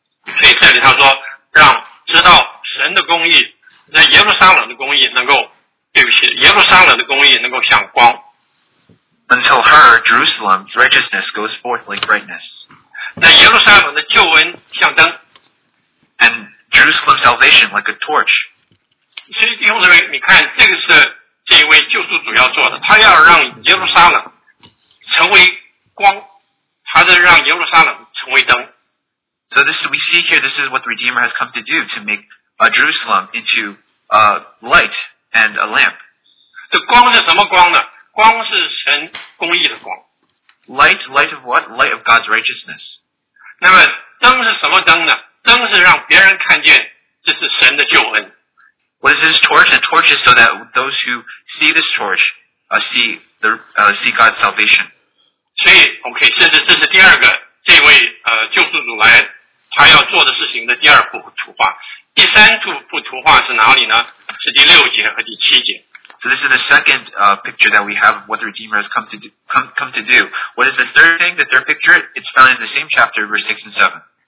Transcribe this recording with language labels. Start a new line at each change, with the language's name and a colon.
Chinese: 所以这里他说，让知道神的公义，让耶路撒冷的公义能够，对不起，耶路撒冷的公义能够像光。
English: Until her, Jerusalem's righteousness goes forth like brightness.
Chinese: 那耶路撒冷的救恩像灯。
English: And Jerusalem's salvation like a torch.
Chinese: 所以弟兄姊妹，你看这个是这一位救赎主要做的，他要让耶路撒冷成为光，他是让耶路撒冷成为灯。
English: So this we see here, this is what the Redeemer has come to do, to make Jerusalem into a light and a lamp.
Chinese: 这光是什么光呢？光是神公义的光。
English: Light of what? Light of God's righteousness.
Chinese: 那么灯是什么灯呢？灯是让别人看见这是神的救恩。
English: What is this torch? A torch is so that those who see this torch see God's salvation.
Chinese: 所以 ，OK， 这是第二个这位救世主来他要做的事情的第二幅图画。第三幅图画是哪里呢？是第六节和第七节。
English: So this is the second picture that we have of what the Redeemer has come to do. What is the third thing, the third picture? It's found in the same chapter, verse 6 and 7.